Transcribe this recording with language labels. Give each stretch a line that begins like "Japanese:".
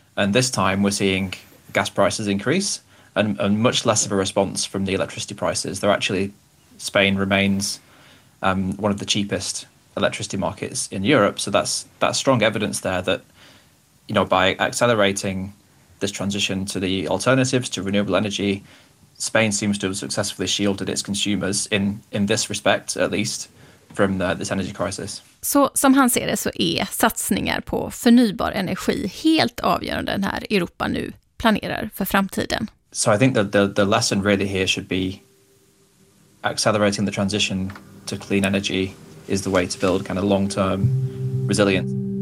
English: And this time we're seeing gas prices increase and much less of a response from the electricity prices. They're actually Spain remains one of the cheapest electricity markets in Europe, so that's strong evidence there that, you know, by accelerating this transition to the alternatives to renewable energy, Spain seems to have successfully shielded its consumers in this respect at least from this energy crisis.
Swedish: Så som han ser det så är satsningar på förnybar energi helt avgörande när Europa nu planerar för framtiden.
English: So I think that the lesson really here should be accelerating the transition to clean energy is the way to build kind of long-term resilience.